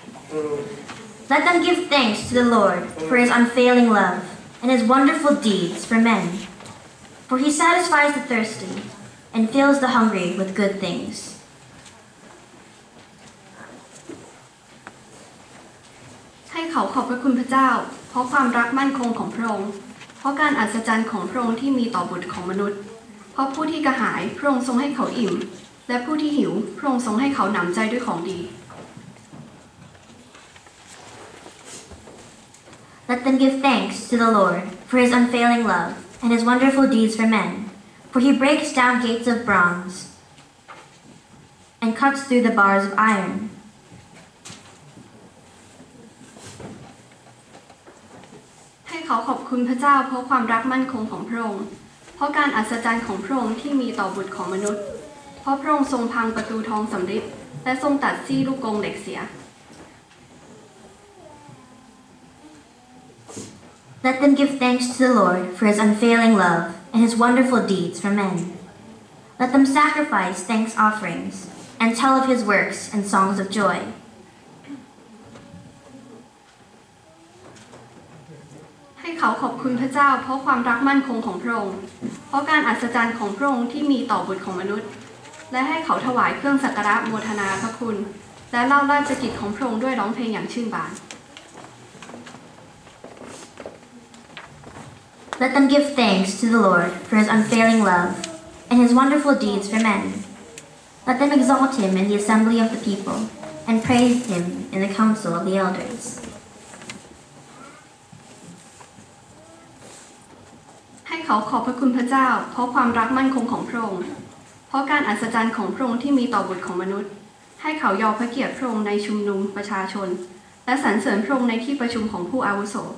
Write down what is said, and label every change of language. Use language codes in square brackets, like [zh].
[en] Let them give thanks to the Lord for his unfailing love and his wonderful deeds for men. For he satisfies the thirsty and fills the hungry with good things. [th] ให้เขาขอบพระคุณพระเจ้าเพราะความรักมั่นคงของพระองค์เพราะการอัศจรรย์ของพระองค์ที่มีต่อบุตรของมนุษย์เพราะผู้ที่กระหายพระองค์ทรงให้เขาอิ่มและผู้ที่หิวพระองค์ทรงให้เขาหนำใจด้วยของดี [en] Let them give thanks to the Lord for his unfailing love and his wonderful deeds for men, for he breaks down gates of bronze and cuts through the bars of iron. [th] ให้เขาขอบคุณพระเจ้าเพราะความรักมั่นคงของพระองค์เพราะการอัศจรรย์ของพระองค์ที่มีต่อบุตรของมนุษย์เพราะพระองค์ทรงพังประตูทองสำริดและทรงตัดซี่ลูกกรงเหล็กเสีย [en] Let them give thanks to the Lord for his unfailing love and his wonderful deeds for men. Let them sacrifice thanks offerings and tell of his works and songs of joy. [th] ให้เขาขอบคุณพระเจ้าเพราะความรักมั่นคงของพระองค์เพราะการอัศจรรย์ของพระองค์ที่มีต่อบุตรของมนุษย์และให้เขาถวายเครื่องสักการะโมทนาพระคุณและเล่าราชกิจของพระองค์ด้วยร้องเพลงอย่างชื่นบาน [en] Let them give thanks to the Lord for his unfailing love and his wonderful deeds for men. Let them exalt him in the assembly of the people and praise him in the council of the elders. [th] ให้เขาขอบพระคุณพระเจ้าเพราะความรักมั่นคงของพระองค์เพราะการอัศจรรย์ของพระองค์ที่มีต่อบุตรของมนุษย์ให้เขายอมพระเกียรติพระองค์ในชุมนุมประชาชนและสรรเสริญพระองค์ในที่ประชุมของผู้อาวุโส